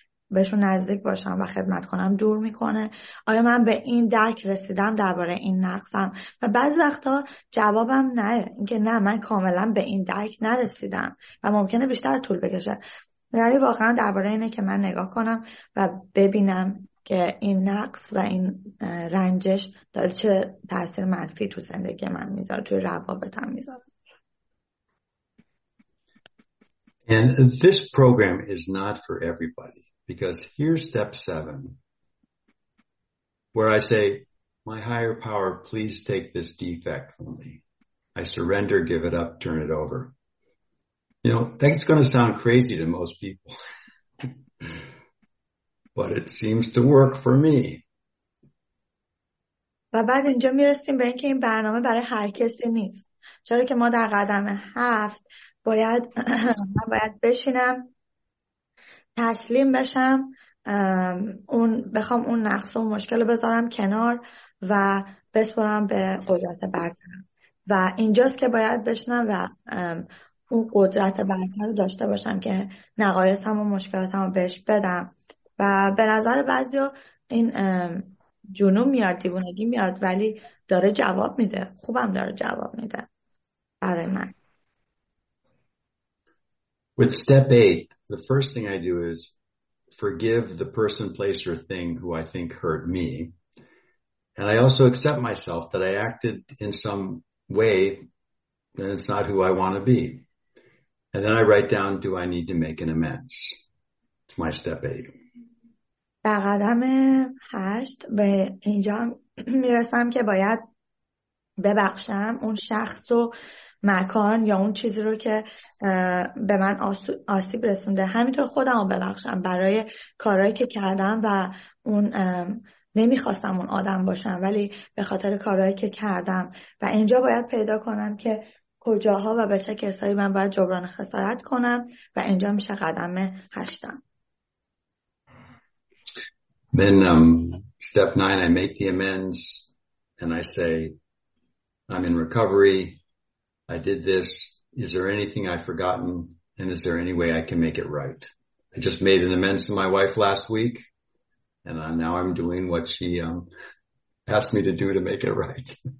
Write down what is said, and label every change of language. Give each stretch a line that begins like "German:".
Persian: بهشون نزدیک باشم و خدمت کنم دور میکنه. آیا من به این درک رسیدم درباره این نقصم؟ و بعضی وقتا جوابم نه، اینکه نه من کاملا به این درک نرسیدم و ممکنه بیشتر طول بکشه. یعنی واقعا درباره اینه که من نگاه کنم و ببینم که این نقص و این رنجش داره چه تاثیر منفی تو زندگی من میذاره، تو روابطم میذاره.
English: And this program is not for everybody, because here's step 7, where I say, my higher power, please take this defect from me. I surrender, give it up, turn it over. You know, that's going to sound crazy to most people, but it seems to work for me.
Persian: و بعد اینجا میرسیم به اینکه این برنامه برای هر کسی نیست. چرا که ما در قدم 7 باید من باید بشینم تسلیم بشم، اون بخوام اون نقص و مشکل رو بذارم کنار و بسپرم به قدرت برتر. و اینجاست که باید بشینم و اون قدرت برتر رو داشته باشم که نقایصم و مشکلاتم رو بهش بدم. و به نظر بعضی این جنون میاد، دیوونگی میاد، ولی داره جواب میده، خوبم داره جواب میده برای من.
English: With step 8, the first thing I do is forgive the person, place, or thing who I think hurt me. And I also accept myself that I acted in some way that it's not who I want to be. And then I write down, do I need to make an amends? It's my step 8.
Persian: در قدم 8 به اینجا میرسم که باید ببخشم اون شخص و مکان یا اون چیزی رو که به من آسیب رسونده، همینطور خودم رو ببخشم برای کارهایی که کردم و اون نمیخواستم اون آدم باشم ولی به خاطر کارهایی که کردم. و اینجا باید پیدا کنم که کجاها و به چه کسایی من باید جبران خسارت کنم و اینجا میشه قدم 8.
English: Then step 9, I make the amends and I say, I'm in recovery. I did this. Is there anything I've forgotten? And is there any way I can make it right? I just made an amends to my wife last week and now I'm doing what she asked me to do to make it right.